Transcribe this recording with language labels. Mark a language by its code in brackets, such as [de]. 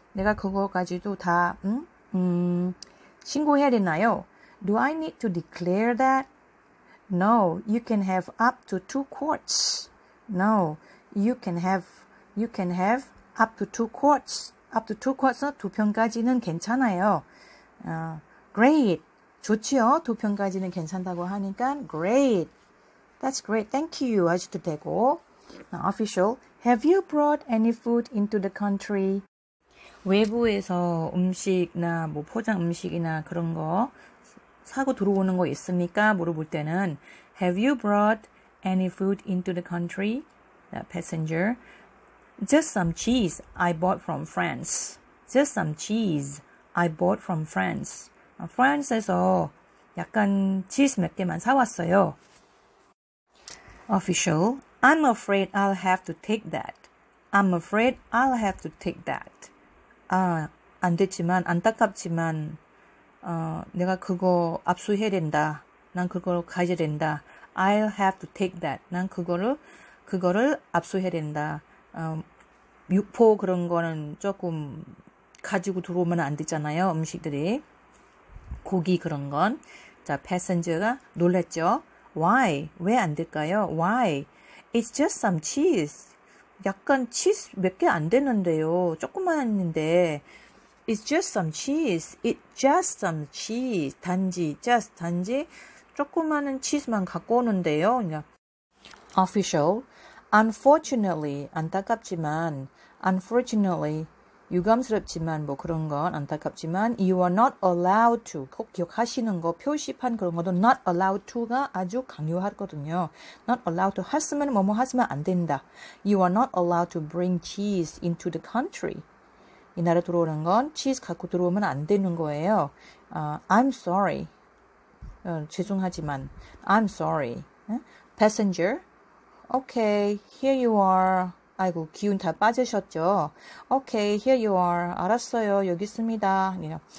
[ko] 내가 그거까지도 다 신고해야 되나요? [en] Do I need to declare that? No, you can have up to two quarts. No, you can have up to two quarts. Up to two quarts는 [ko] 두 병까지는 괜찮아요. [en] Great, [ko] 좋지요. 두 병까지는 괜찮다고 하니까 great. [en] That's great. Thank you. [ko] 아직도 되고. [en] Now, official, have you brought any food into the country? [ko] 외부에서 음식이나 뭐 포장 음식이나 그런 거 사고 들어오는 거 있습니까? 물어볼 때는 [en] Have you brought any food into the country? The passenger Just some cheese I bought from France. Just some cheese I bought from France. [ko] France에서 약간 치즈 몇 개만 사왔어요. [en] Official I'm afraid I'll have to take that. I'm afraid I'll have to take that. [ko] 안 됐지만, 안타깝지만, 내가 그거 압수해야 된다. 난 그거를 가져야 된다. [en] I'll have to take that. [ko] 난 그거를 압수해야 된다. 육포 그런 거는 조금 가지고 들어오면 안 되잖아요. 음식들이. 고기 그런 건. 자, 패센저가 놀랬죠. Why? 왜 안 될까요? Why? [en] It's just some cheese. [ko] 약간 치즈 몇 개 안 되는데요. 조금만 했는데. [en] It's just some cheese. It's just some cheese. [ko] 단지 조그만 치즈만 갖고 오는데요. [en] 그냥. Official. Unfortunately. [ko] 안타깝지만. Unfortunately. 유감스럽지만 뭐 그런 건 안타깝지만. [en] You are not allowed to. [ko] 꼭 기억하시는 거. 표시판 그런 것도 [en] not allowed to가 [ko] 아주 강요하거든요. [en] Not allowed to. [ko] 했으면 뭐뭐 하시면 안 된다. [en] You are not allowed to bring cheese into the country. [ko] 이 나라 들어오는 건 치즈 갖고 들어오면 안 되는 거예요. [en] I'm sorry. [ko] 죄송하지만. [en] I'm sorry. Passenger. Okay. Here you are. [ko] 아이고, 기운 다 빠지셨죠? [en] Okay, here you are. [ko] 알았어요. 여기 있습니다. 아니요.